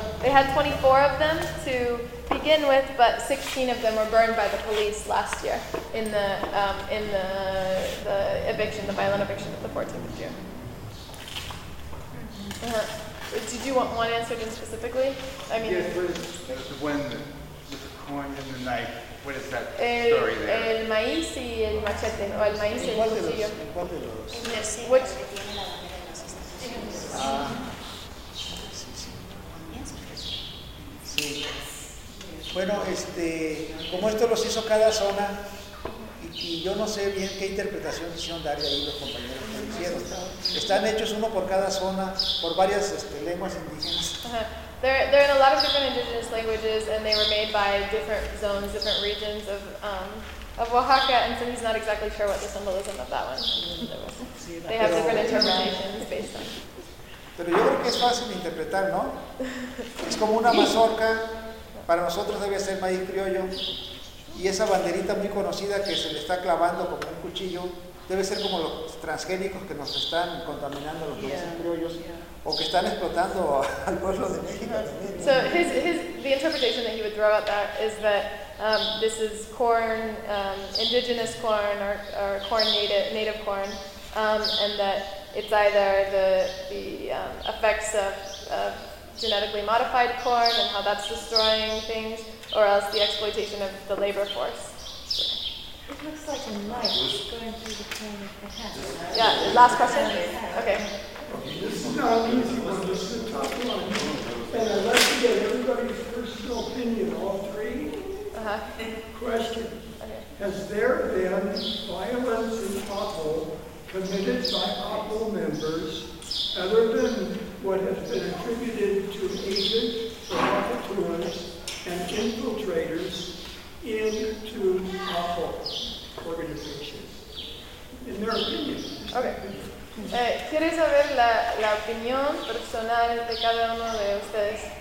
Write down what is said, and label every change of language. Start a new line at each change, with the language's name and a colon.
English: They had 24 of them to begin with, but 16 of them were burned by the police last year in the eviction, the violent eviction of the 14th of June. Did you want one answered in specifically? I mean, yes, with the coin and the knife, what is that story there?
Spanish: El maíz y el machete, o el maíz y el cuchillo.
English: Which?
Spanish: Bueno, como esto los hizo cada zona, y yo no sé bien qué interpretación quisieron darle ahí los compañeros que lo hicieron. Están hechos uno por cada zona, por varias lenguas indígenas.
English: They're in a lot of different indigenous languages, and they were made by different zones, different regions of Oaxaca, and so he's not exactly sure what the symbolism of that one. They have different interpretations based on.
Spanish: Pero yo creo que es fácil de interpretar, ¿no? Es como una mazorca. Para nosotros debe ser maíz criollo, y esa banderita muy conocida que se le está clavando como un cuchillo debe ser como los transgénicos que nos están contaminando los maíz criollos, o que están explotando al pueblo de México.
English: So his the interpretation that he would throw out that is that this is corn, indigenous corn or corn native corn, and that it's either the effects of genetically modified corn and how that's destroying things, or else the exploitation of the labor force. It looks like a knife going through the corn of the head. Yeah, last question. Okay. This is not an easy one. This is a tough one. And I'd like to get everybody's personal opinion, all three. Question. Okay. Has there been violence in Apo committed by Apo members other than what has been attributed to agents, provocateurs, and infiltrators into Apo organizations? In their opinion. Okay.
Spanish: Quiere saber la opinión personal de cada uno de ustedes.